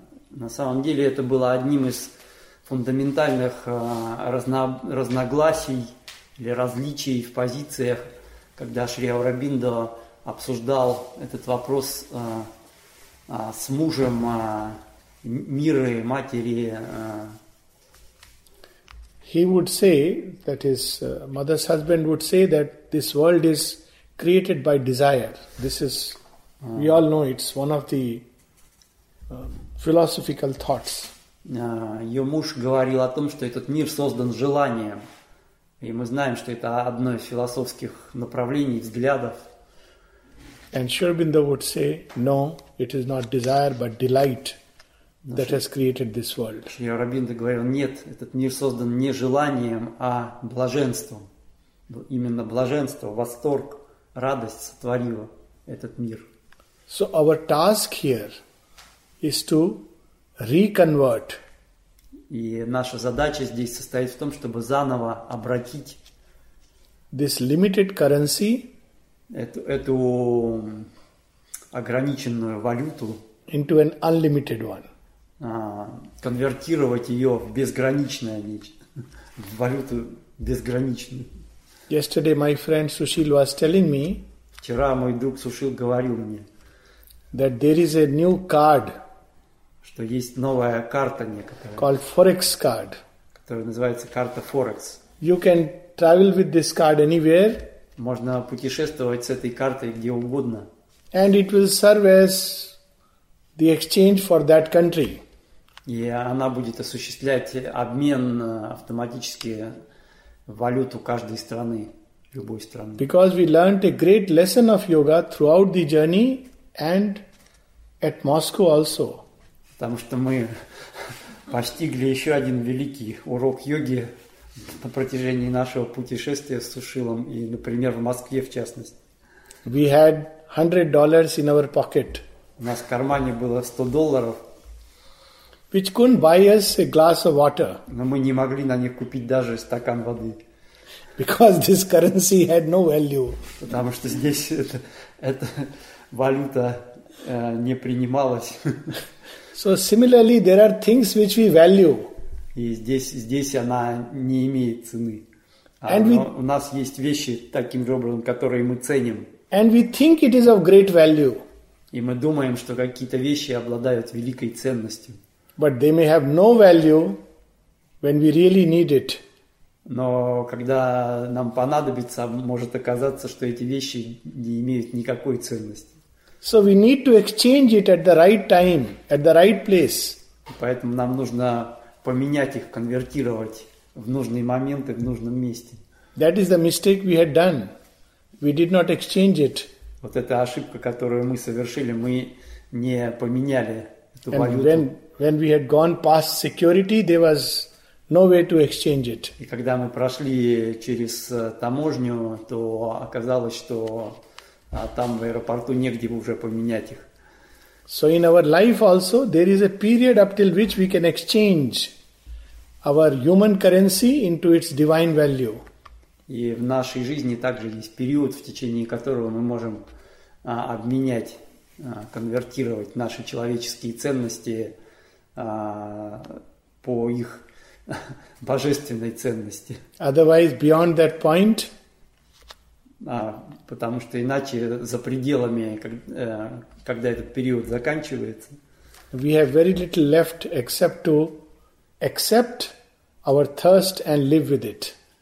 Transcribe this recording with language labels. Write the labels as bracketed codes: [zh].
[ru] На самом деле это было одним из фундаментальных разногласий или различий в позициях. Когда Шри Аурабиндо обсуждал этот вопрос с мужем Миры, матери, [en] he would say, that his mother's husband would say that this world is created by desire. This is, we all know, it's one of the philosophical thoughts. [ru] Ее муж говорил о том, что этот мир создан желанием. И мы знаем, что это одно из философских направлений, взглядов. [en] And Sri Aurobindo would say, no, it is not desire, but delight that has created this world. [ru] Sri Aurobindo говорил, нет, этот мир создан не желанием, а блаженством. Именно блаженство, восторг, радость сотворила этот мир. [en] So our task here is to reconvert. [ru] И наша задача здесь состоит в том, чтобы заново обратить [en] this limited currency, [ru] эту ограниченную валюту, [en] into an unlimited one. [ru] Конвертировать ее в безграничное в валюту безграничную. [en] Yesterday my friend Sushil was telling me, [ru] вчера мой друг Сушил говорил мне, [en] that there is a new card, [ru] что есть новая карта некоторая, [en] called Forex card, [ru] которая называется карта Forex. [en] You can travel with this card anywhere. [ru] Можно путешествовать с этой картой где угодно. [en] And it will serve as the exchange for that country. [ru] И она будет осуществлять обмен автоматически в валюту каждой страны, любой страны. [en] Because we learned a great lesson of yoga throughout the journey and at Moscow also. [ru] Потому что мы постигли еще один великий урок йоги на протяжении нашего путешествия с Сушилом и, например, в Москве, в частности. [en] We had $100 in our pocket. [ru] У нас в кармане было $100. [en] Which couldn't buy us a glass of water. [ru] Но мы не могли на них купить даже стакан воды. [en] Because this currency had no value. [ru] Потому что здесь эта валюта не принималась. [en] So similarly, there are things which we value. [ru] И здесь она не имеет цены. [en] And we, [ru] у нас есть вещи таким же образом, которые мы ценим. [en] And we think it is of great value. [ru] И мы думаем, что какие-то вещи обладают великой ценностью. [en] But they may have no value when we really need it. [ru] Но когда нам понадобится, может оказаться, что эти вещи не имеют никакой ценности. [en] So we need to exchange it at the right time, at the right place. [ru] Поэтому нам нужно поменять их, конвертировать в нужный момент и в нужном месте. [en] That is the mistake we had done. We did not exchange it. [ru] Вот эта ошибка, которую мы совершили, мы не поменяли эту [en] And [ru] валюту. [en] When we had gone past security, there was no way to exchange it. [ru] И когда мы прошли через таможню, то оказалось, что а там в аэропорту негде уже поменять их. [en] So in our life also there is a period up till which we can exchange our human currency into its divine value. [ru] И в нашей жизни также есть период, в течение которого мы можем обменять, конвертировать наши человеческие ценности по их божественной ценности. [en] Otherwise, beyond that point. [ru] Потому что иначе за пределами, когда этот период заканчивается, [en] we have very little left except to accept our thirst and live with it.